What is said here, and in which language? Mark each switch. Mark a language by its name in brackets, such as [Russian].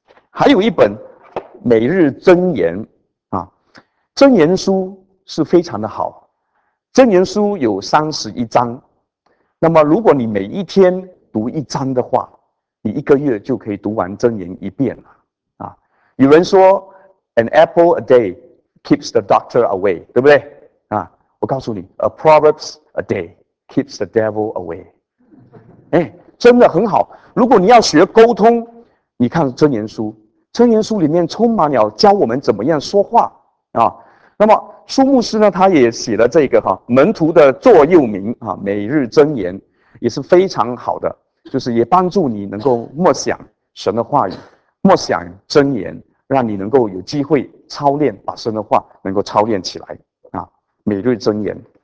[Chinese] 还有一本《每日箴言》啊，《箴言书》是非常的好。箴言书有31章，那么如果你每一天读一章的话，你一个月就可以读完箴言一遍了啊。有人说 ， [English] an apple a day keeps the doctor away， [Chinese] 对不对啊？我告诉你 ， [English] a proverbs a day keeps the devil away。 [Chinese] 哎，真的很好。如果你要学沟通，你看箴言书，箴言书里面充满了教我们怎么样说话啊。那么苏牧师呢，他也写了这个哈门徒的座右铭啊，《每日箴言》也是非常好的，就是也帮助你能够默想神的话语，默想箴言，让你能够有机会操练，把神的话能够操练起来啊，《每日箴言》。